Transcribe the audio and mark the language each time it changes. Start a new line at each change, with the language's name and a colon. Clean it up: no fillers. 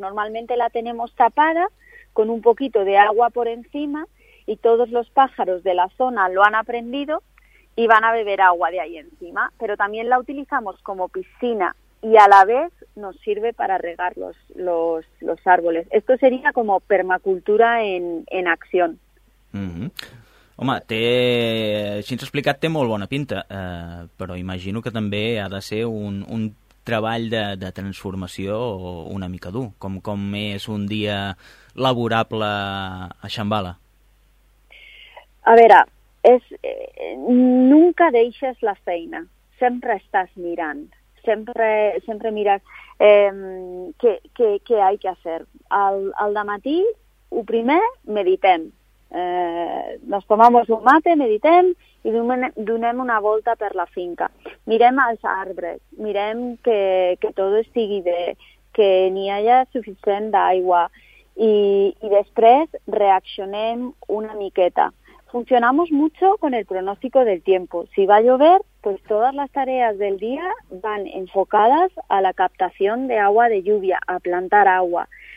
Spanish: Normalmente la tenemos tapada con un poquito de agua por encima y todos los pájaros de la zona lo han aprendido y van a beber agua de ahí encima, pero también la utilizamos como piscina y a la vez nos sirve para regar los árboles. Esto sería como permacultura en acción. Uh-huh.
Catalan: Home, té, així ens ha explicat, té molt bona pinta, però imagino que també ha de ser un treball de transformació una mica dur. Com és un dia laborable a Xambala? A veure, nunca deixes la feina, sempre estàs mirant, sempre mires què
Spanish: hay que hacer.
Catalan: Al dematí, el primer, meditem.
Spanish: Nos tomamos un mate,
Catalan: meditem i donem una volta per la finca. Mirem els arbres, mirem que tot estigui bé, que n'hi hagi suficient d'aigua i després reaccionem una miqueta.
Spanish: Funcionamos mucho con el pronóstico del tiempo. Si va a llover, pues todas las tareas del día van enfocadas a la captación de agua de lluvia, a plantar agua.